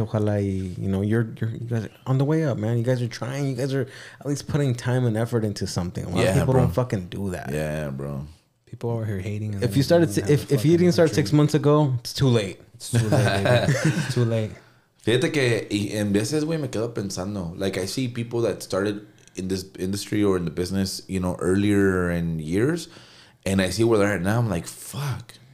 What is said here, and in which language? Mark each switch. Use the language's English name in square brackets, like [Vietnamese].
[Spanish] Ojalá y, [English] you know, you guys are on the way up, man. You guys are trying. You guys are at least putting time and effort into something. A lot of people don't fucking do that. Yeah, bro. People over here hating. If you started, if you didn't start 6 months ago, it's too late. It's too late. [Spanish] Fíjate que en veces, güey, me quedo pensando. [English] Like, I see people that started in this industry or in the business, you know, earlier in years. And I see where they're at now. I'm like, fuck.